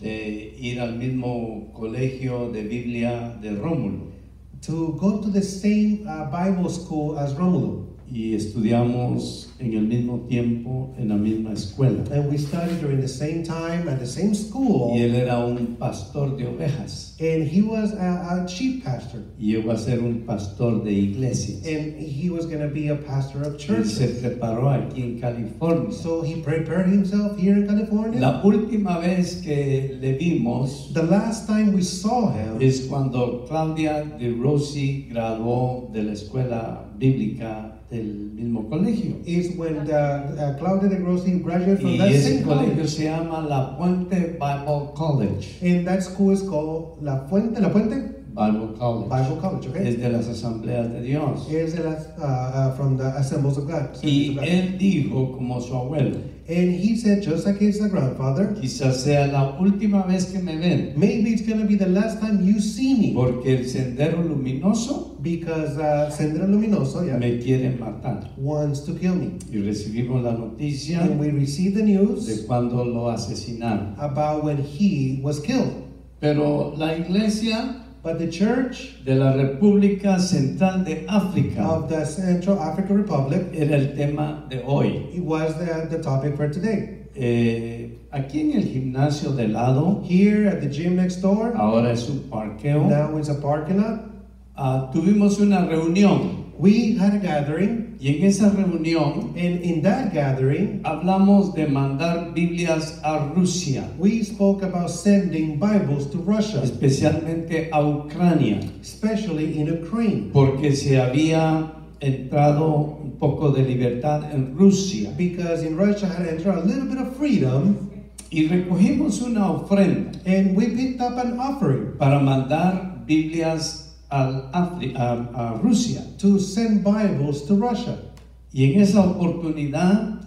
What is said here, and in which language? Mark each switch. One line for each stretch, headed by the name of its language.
Spanish: de ir al mismo colegio de Biblia de Rómulo.
English: To go to the same Bible school as Rómulo.
Spanish: Y estudiamos en el mismo tiempo en la misma escuela.
English: And we studied during the same time at the same school.
Spanish: Y él era un pastor de ovejas.
English: And he was a sheep pastor.
Spanish: Y iba a ser un pastor de iglesias.
English: And he was going to be a pastor of churches.
Spanish: Y se preparó aquí en California.
English: So he prepared himself here in California.
Spanish: La última vez que le vimos.
English: The last time we saw him.
Spanish: Es cuando Claudia De Rossi graduó de la escuela bíblica del mismo colegio.
English: Is when Claudia De Rossi graduated from
Spanish: y
English: that same college.
Spanish: Se llama La Puente Bible College.
English: And that school is called La Puente. Bible College, okay?
Spanish: Es de las asambleas de Dios. Es de las
English: from the assemblies of God.
Spanish: Y él dijo como su abuelo.
English: And he said, just like his grandfather,
Spanish: quizás sea la última vez que me ven.
English: Maybe it's going to be the last time you see me.
Spanish: Porque el sendero luminoso,
English: because sendero luminoso,
Spanish: me quiere matar.
English: Wants to kill me.
Spanish: Y recibimos la noticia.
English: And we receive the news
Spanish: de cuando lo asesinaron.
English: About when he was killed.
Spanish: Pero la iglesia.
English: But the church
Spanish: de la República Central de África,
English: of the Central African Republic,
Spanish: era el tema de hoy.
English: It was the topic for today.
Spanish: Aquí en el gimnasio de lado,
English: here at the gym next door,
Spanish: ahora es un parqueo,
English: now it's a parking lot,
Spanish: tuvimos una reunión.
English: We had a gathering,
Spanish: y en esa reunión,
English: and in that gathering,
Spanish: hablamos de mandar Biblias a Rusia.
English: We spoke about sending Bibles to Russia,
Spanish: especialmente a Ucrania,
English: especially in Ukraine,
Spanish: porque se había entrado un poco de libertad en Rusia,
English: because in Russia had entered a little bit of freedom.
Spanish: Y recogimos una ofrenda,
English: and we picked up an offering,
Spanish: para mandar Biblias al a Rusia,
English: to send Bibles to Russia.
Spanish: Y en esa oportunidad,